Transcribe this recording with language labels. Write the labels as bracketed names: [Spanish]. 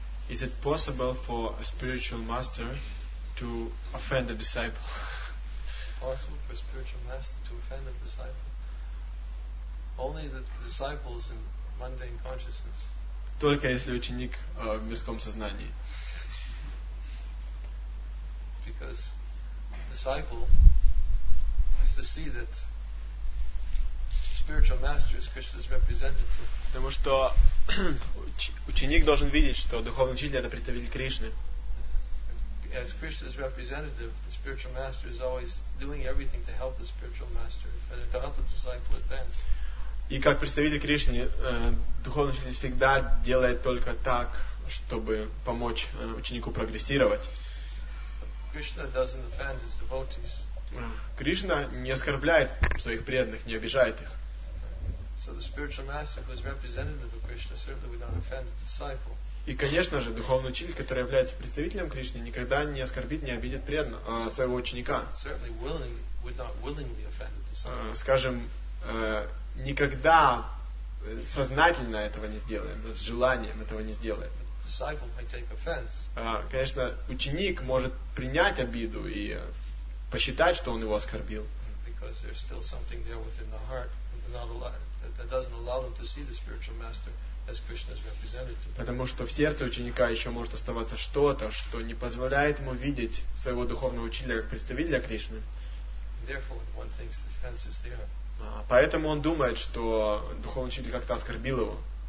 [English] Is it possible for a spiritual master to offend a disciple? Possible for a spiritual master to offend a disciple? Only the disciples in mundane consciousness. [Russian] Только если ученик в мирском сознании. [English] Because the disciple has to see that spiritual master is Krishna's representative. [Russian] Потому что ученик должен видеть, что духовный учитель — это представитель Кришны. [English] As Krishna's representative, the spiritual master is always doing everything to help the spiritual master, to help the disciple advance. [Russian] И как представитель Кришны, духовный учитель всегда делает только так, чтобы помочь ученику прогрессировать. [English] Krishna doesn't offend his devotees. [Russian] Кришна не оскорбляет своих преданных, не обижает их. [English] So the spiritual master who is representative of Krishna certainly would not offend the disciple. [Russian] И, конечно же, духовный учитель, который является представителем Кришны, никогда не оскорбит, не обидит своего ученика. [English] Certainly willing, would not willingly offend the disciple. [Russian] Скажем, никогда сознательно этого не сделаем, с желанием этого не сделаем. [English] The disciple might take offense. [Russian] Конечно, ученик может принять обиду и посчитать, что он его оскорбил. [English] Because there's still something there within the heart, not alive. That doesn't allow them to see the spiritual master as Krishna's representative. [Russian] Потому что в сердце ученика еще может оставаться что-то, что не позволяет ему видеть своего духовного учителя как представителя Кришны. [English] Therefore, one thinks the offense is there. [Russian] Поэтому он думает, что духовный учитель как-то оскорбил его.